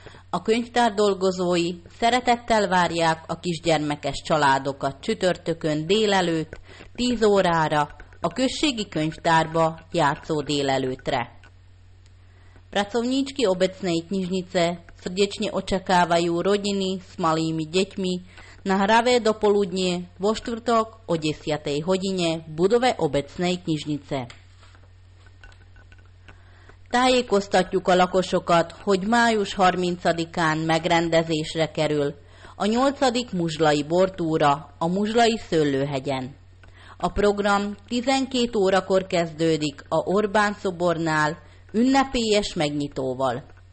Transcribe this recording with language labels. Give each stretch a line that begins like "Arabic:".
Hungarian: A könyvtár dolgozói szeretettel várják a kisgyermekes családokat csütörtökön délelőtt 10 órára a községi könyvtárba játszó délelőtre.
Slovak: Pracovníčky obecnej knižnice srdečne očakávajú rodiny s malými deťmi na hravé dopoludnie vo štvrtok o 10. hodine v budove obecnej knižnice.
Hungarian: Tájékoztatjuk a lakosokat, hogy május 30-án megrendezésre kerül a 8. muzslai bortúra a muzslai szőlőhegyen. A program 12 órakor kezdődik a Orbán szobornál ünnepélyes megnyitóval.